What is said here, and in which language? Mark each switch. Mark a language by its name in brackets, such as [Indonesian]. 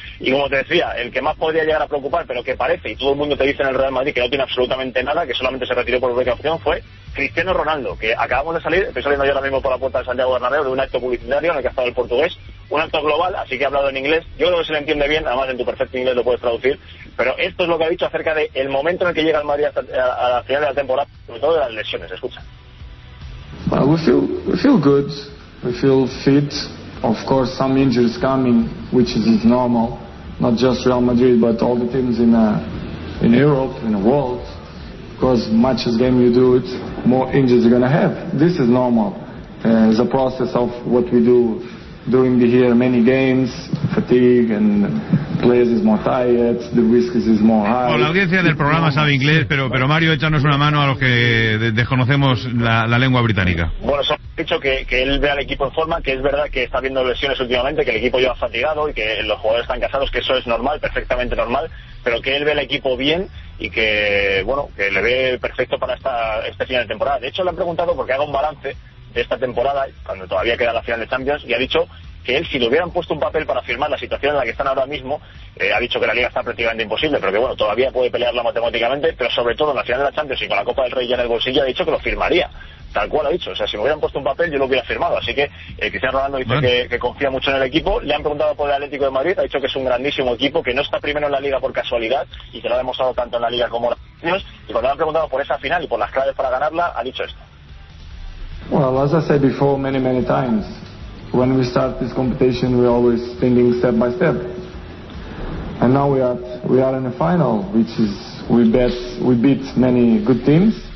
[Spanish] Y como te decía, el que más podría llegar a preocupar, pero que parece, y todo el mundo te dice en el Real Madrid que no tiene absolutamente nada, que solamente se retiró por precaución, fue Cristiano Ronaldo, que acabamos de salir, estoy saliendo yo ahora mismo por la puerta de Santiago Bernabéu, de un acto publicitario en el que ha estado el portugués, un acto global, así que ha hablado en inglés, yo creo que se le entiende bien, además en tu perfecto inglés lo puedes traducir, pero esto es lo que ha dicho acerca de el momento en el que llega el Madrid a la final de la temporada, sobre todo de las lesiones, escucha. [English] Well, we feel good. We feel fit. Of course, some injuries coming, which isn't normal. Not just Real Madrid, but all the teams in Europe, in the world. Because much as game you do it, more injuries you're gonna have. This is normal. It's a process of what we do during the year, many games. fatigue and players is more tired, the risk is more high. [Spanish] Bueno, la audiencia del programa sabe inglés, pero Mario, échanos una mano a los que desconocemos la lengua británica. Bueno, solo he dicho que él ve al equipo en forma, que es verdad que está viendo lesiones últimamente, que el equipo lleva fatigado y que los jugadores están cansados, que eso es normal, perfectamente normal, pero que él ve al equipo bien y que, bueno, que le ve perfecto para este final de temporada. De hecho, le han preguntado porque haga un balance de esta temporada, cuando todavía queda la final de Champions, y ha dicho que él, si le hubieran puesto un papel para firmar la situación en la que están ahora mismo, ha dicho que la liga está prácticamente imposible, pero que bueno, todavía puede pelearla matemáticamente, pero sobre todo en la final de la Champions y con la Copa del Rey ya en el bolsillo, ha dicho que lo firmaría, tal cual ha dicho. O sea, si me hubieran puesto un papel, yo lo hubiera firmado. Así que Cristiano Ronaldo dice que confía mucho en el equipo. Le han preguntado por el Atlético de Madrid, ha dicho que es un grandísimo equipo, que no está primero en la liga por casualidad y que lo ha demostrado tanto en la liga como en la Champions, y cuando le han preguntado por esa final y por las claves para ganarla, ha dicho esto. [English] Well, as I said before many, many times, when we start this competition, we're always thinking step by step. And now we are in the final, which is we beat many good teams.